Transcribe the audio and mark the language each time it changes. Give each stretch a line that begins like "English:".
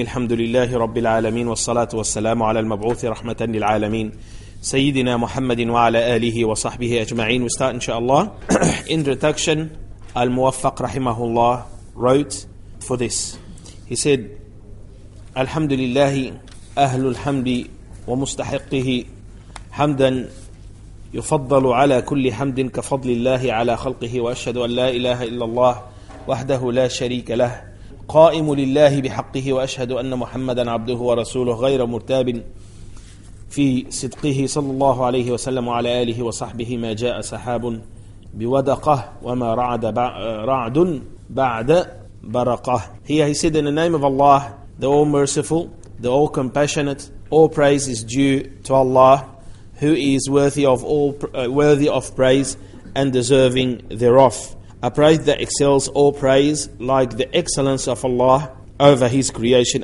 Arabic: الحمد لله رب العالمين، والصلاة والسلام على المبعوث رحمة للعالمين سيدنا محمد وعلى آله وصحبه أجمعين.
English: We start
Arabic: إن شاء الله.
English: Introduction. Al-Muwaffaq rahimahullah wrote for this. He said,
Arabic: الحمد لله أهل الحمد ومستحقه حمدا يفضل على كل حمد كفضل الله على خلقه، وأشهد أن لا إله إلا الله وحده لا شريك له، قائم لله بحقه، وأشهد أن محمدا عبده ورسوله غير مرتاب في صدقه، صلى الله عليه وسلم وعلى آله وصحبه ما جاء سحاب بودقه وما رعد رعد بعد برقه.
English: Here he said, in the name of Allah, the All Merciful, the All Compassionate, all praise is due to Allah, who is worthy of praise and deserving thereof. A praise that excels all praise, like the excellence of Allah over His creation.